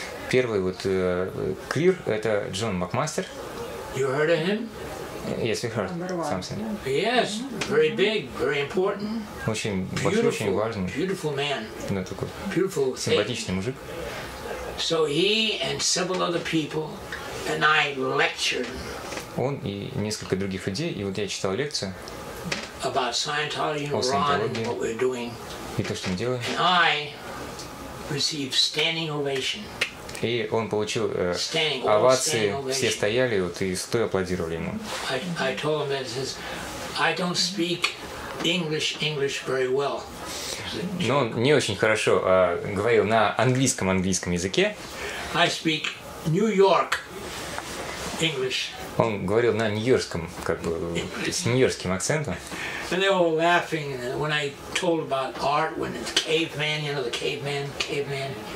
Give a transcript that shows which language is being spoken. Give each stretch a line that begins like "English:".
Russian: Первый вот clear это Джон Макмастер.
English: You heard of him? Yes, we heard something. Yes, very big, very important.
Russian: Очень большой, очень важный.
English: Beautiful man.
Russian: Да, такой.
English: Beautiful.
Russian: Симпатичный мужик.
English: So he and several other people and I lectured.
Russian: Он и несколько других людей, и вот я читал лекцию
English: about Scientology, о Scientology, what we're doing.
Russian: И то, что мы делаем.
English: And I received standing ovation.
Russian: И он получил овации, все стояли вот, и стоя аплодировали ему.
English: I told him that says, I don't speak English very well.
Russian: Но он не очень хорошо говорил на английском языке.
English: I speak New York English.
Russian: Он говорил на нью-йоркском, как бы, с нью-йоркским акцентом.
English: And they were laughing when I told about art, when it's caveman, you know, the caveman, caveman.